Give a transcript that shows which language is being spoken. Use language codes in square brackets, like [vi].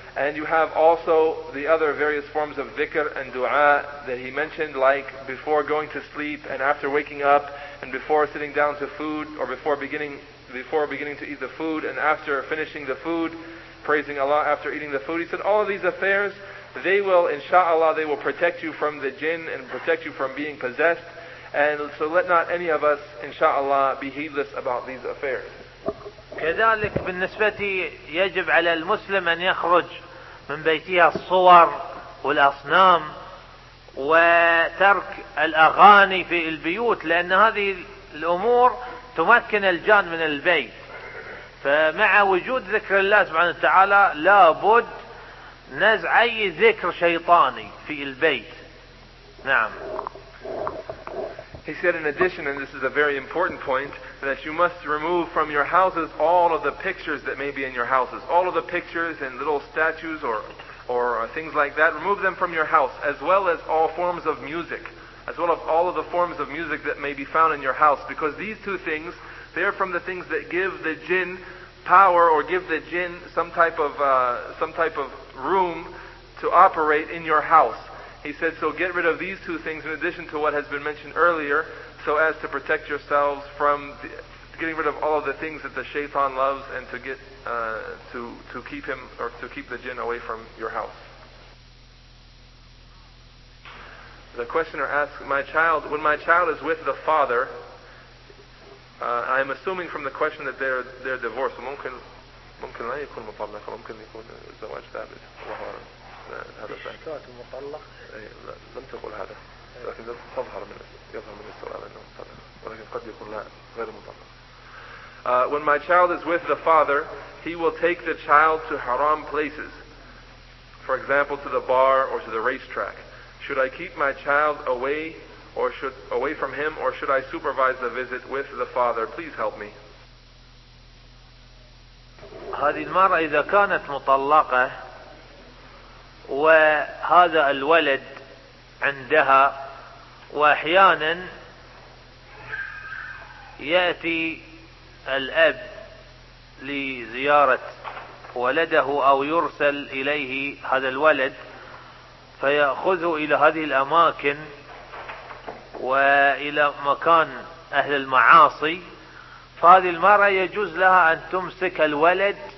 [en] And you have also the other various forms of dhikr and dua that he mentioned, like before going to sleep and after waking up and before sitting down to food, or before beginning to eat the food and after finishing the food, praising Allah after eating the food. He said all of these affairs, they will, inshallah, they will protect you from the jinn and protect you from being possessed. And so let not any of us, inshallah, be heedless about these affairs. [ar] كذلك بالنسبة يجب على المسلم أن يخرج من بيتها الصور والأصنام وترك الأغاني في البيوت، لأن هذه الأمور تمكن الجان من البيت. فمع وجود ذكر الله سبحانه وتعالى لا بد نزع أي ذكر شيطاني في البيت. نعم. [en] He said in addition, and this is a very important point, that you must remove from your houses all of the pictures that may be in your houses. All of the pictures and little statues or things like that, remove them from your house, as well as all forms of music, as well as all of the forms of music that may be found in your house. Because these two things, they're from the things that give the jinn power or give the jinn some type of room to operate in your house. He said, so get rid of these two things in addition to what has been mentioned earlier, so as to protect yourselves from getting rid of all of the things that the shaitan loves, and to get to keep him, or to keep the jinn away from your house. The questioner asks, my child, when my child is with the father, I'm assuming from the question that they're divorced. [ar] ممكن لا يكون مطلق ممكن يكون زواج ثابت الله أعلم هذا شكوى مطلق لم تقول هذا لكن يظهر من السؤال أنه مطلق ولكن قد يكون لا غير مطلق. [en] When my child is with the father, he will take the child to haram places, for example to the bar or to the racetrack. Should I keep my child away from him, or should I supervise the visit with the father? Please help me. [ar] هذه المرأة إذا كانت مطلقة وهذا الولد عندها وأحيانا يأتي الأب لزيارة ولده أو يرسل إليه هذا الولد فيأخذه إلى هذه الأماكن وإلى مكان أهل المعاصي, فهذه المرأة يجوز لها أن تمسك الولد